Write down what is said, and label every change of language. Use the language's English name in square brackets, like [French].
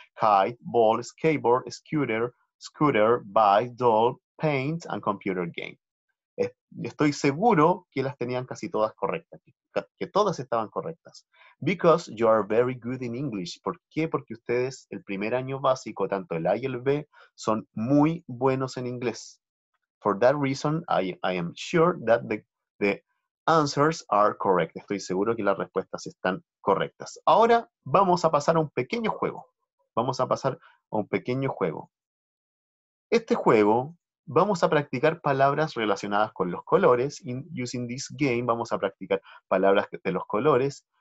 [English] Kite, ball, skateboard, scooter, scooter, bike, doll, paint, and computer game. [Spanish] Estoy seguro que las tenían casi todas correctas, que todas estaban correctas. [English] Because you are very good in English. [Spanish] ¿Por qué? Porque ustedes, el primer año básico, tanto el A y el B, son muy buenos en inglés. [English] For that reason, I am sure that the answers are correct. [Spanish] Estoy seguro que las respuestas están correctas. Ahora vamos a pasar a un pequeño juego. Vamos a pasar a un pequeño juego. Este juego, vamos a practicar palabras relacionadas con los colores. [English] Using this game, [Spanish] vamos a practicar palabras de los colores.